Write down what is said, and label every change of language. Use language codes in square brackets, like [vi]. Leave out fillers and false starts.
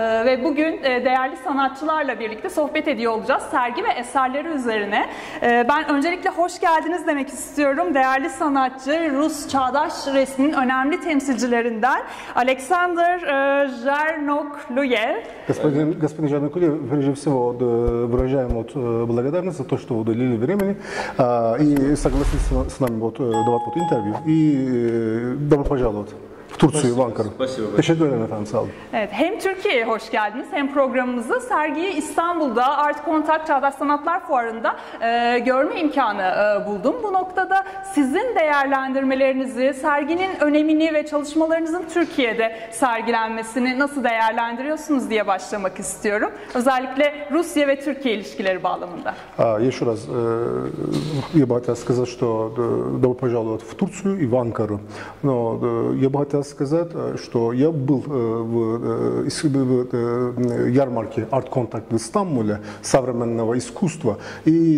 [tr] Ve bugün değerli sanatçılarla birlikte sohbet ediyor olacağız sergi ve eserleri üzerine. Ben öncelikle hoş geldiniz demek istiyorum. Değerli sanatçı, Rus çağdaş resminin önemli temsilcilerinden Alexander Zhernokluyev. [ru] Господин Zhernokluyev, прежде всего выражаем благодарность за то, что уделили времени и согласились с нами давать интервью. И добро пожаловать. Турцию, [tr] Ankara. Teşekkür ederim efendim, sağ olun. Evet, hem Türkiye'ye hoş geldiniz hem programımızı sergiyi İstanbul'da Art Contact Çağdaş Sanatlar Fuarı'nda görme imkanı buldum. Bu noktada sizin değerlendirmelerinizi, serginin önemini ve çalışmalarınızın Türkiye'de sergilenmesini nasıl değerlendiriyorsunuz diye başlamak istiyorum. Özellikle Rusya ve Türkiye ilişkileri bağlamında. [ru] Еще раз я бы хотел сказать, что добро пожаловать в Турцию и в Анкару. Но я бы хотел сказать, что я был в ярмарке Art Contact в Стамбуле современного искусства, и